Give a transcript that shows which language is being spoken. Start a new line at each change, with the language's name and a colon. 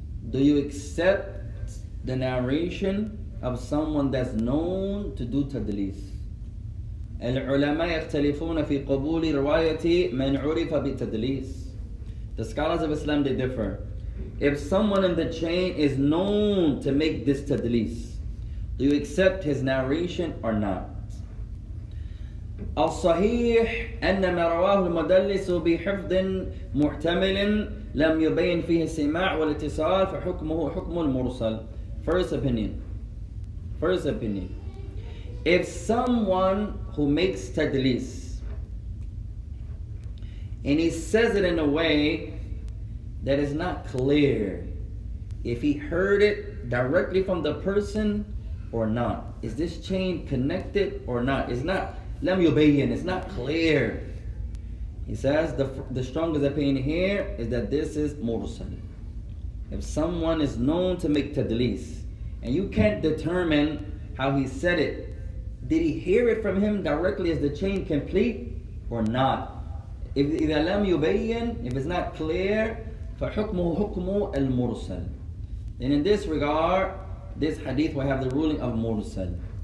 English: Do you accept the narration of someone that's known to do تدليس?
Arabic: العلماء يختلفون في قبول رواية من عرف بتدليس.
English: The scholars of Islam, they differ. If someone in the chain is known to make this تدليس, do you accept his narration or not?
Arabic: الصحيح أن ما رواه المدلس بحفظ محتمل لم يبين فيه السماع والاتصال فحكمه حكم المرسل.
English: First opinion. If someone who makes تدليس and he says it in a way that is not clear if he heard it directly from the person or not, is this chain connected or not? It's not
Arabic: لم يبين,
English: it's not clear. He says the strongest opinion here is that this is مرسل. If someone is known to make تدليس and you can't determine how he said it, did he hear it from him directly? Is the chain complete or not?
Arabic: If إذا لم يبين,
English: if it's not clear,
Arabic: فحكمه حكم المرسل.
English: Then in this regard, this hadith will have the ruling of مرسل.